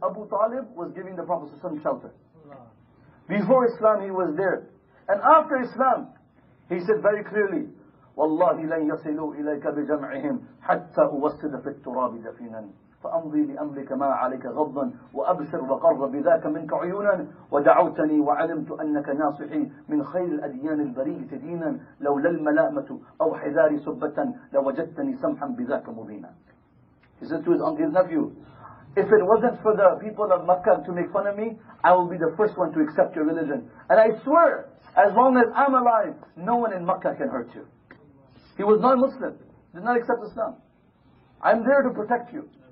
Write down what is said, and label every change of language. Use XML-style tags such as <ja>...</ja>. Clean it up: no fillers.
<en>Abu Talib was giving the Prophet some shelter. Before Islam, he was there. And after Islam, he said very clearly,</en> <ar>وَاللَّهِ لَنْ يَصِلُوا إِلَيْكَ بِجَمْعِهِمْ حَتَّى أُوَسِّدَ فِي التُّرَابِ دَفِينًا فَأَمْضِي لِأَمْرِكَ مَا عَلَيْكَ غَضًّا وَأَبْصِرْ وَقَرَّ بِذَاكَ مِنْكَ عُيُونًا وَدَعَوْتَنِي وَعَلِمْتُ أَنَّكَ نَاصِحِي مِنْ خَيْرِ الْأَدْيَانِ الْبَرِيَّةِ دِينًا لَوْلَا الْمَلَامَةُ أَوْ حِذَارِي سُبَّةً لَوَجَدْتَنِي سَمْحًا بِذَاكَ مُبِينًا.</ar> <en>He said to his uncle, his nephew, if it wasn't for the people of Mecca to make fun of me, I will be the first one to accept your religion. And I swear, as long as I'm alive, no one in Mecca can hurt you. He was not Muslim, did not accept Islam. I'm there to protect you.</en>